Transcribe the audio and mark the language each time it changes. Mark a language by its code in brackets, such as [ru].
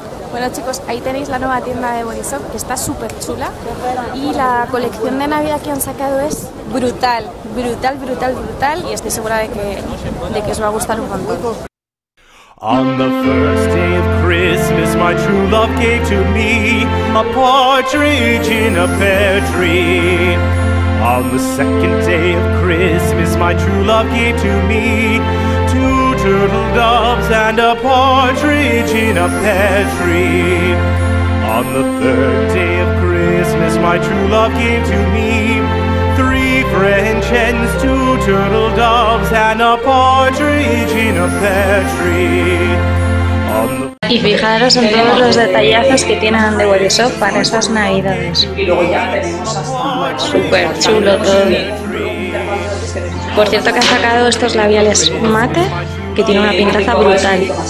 [es] Bueno chicos, ahí tenéis la nueva tienda de Bodyshop, que está súper chula. Y la colección de Navidad que han sacado es brutal, brutal, brutal, brutal. Y estoy segura de que os va a gustar un montón. [en] On the first day of Christmas, my true love gave to me a partridge in a pear tree. On the second day of Christmas, my true love gave to me two turtle doves and a partridge in a pear tree. On the third day of Christmas, my true love gave to me three French hens, two turtle doves and a partridge in a pear tree. [es] Y fijaros en todos los detallazos que tienen de Bodyshop para estas navidades. Súper chulo todo. Por cierto que han sacado estos labiales mate, que tiene una pintaza brutal.